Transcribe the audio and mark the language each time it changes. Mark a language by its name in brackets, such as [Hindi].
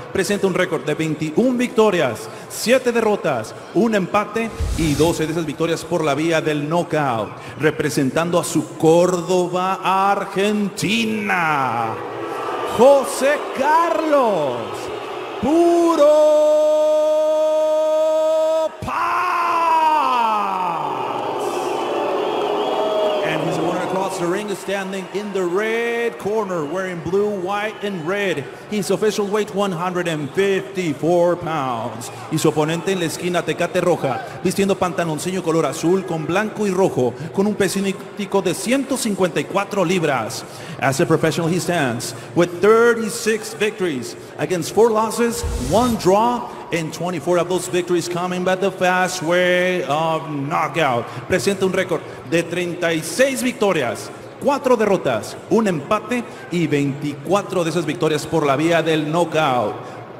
[Spanish] Presenta un récord de 21 victorias, 7 derrotas, un empate y 12 de esas victorias por la vía del knockout, representando a su Córdoba, Argentina, José Carlos Puro Paz. [English] And he's one across the ring, standing in the red corner, wearing blue, white and red. His official weight, 154 pounds. [Spanish] Y su oponente en la esquina Tecate Roja, vistiendo pantaloncillo color azul con blanco y rojo, con un peso de 154 libras. [English] As a professional, he stands with 36 victories against 4 losses, 1 draw, and 24 of those victories coming by the fast way of knockout. [Spanish] Presenta un récord de 36 victorias. 4 derrotas, un empate y 24 de esas victorias por la vía del knockout.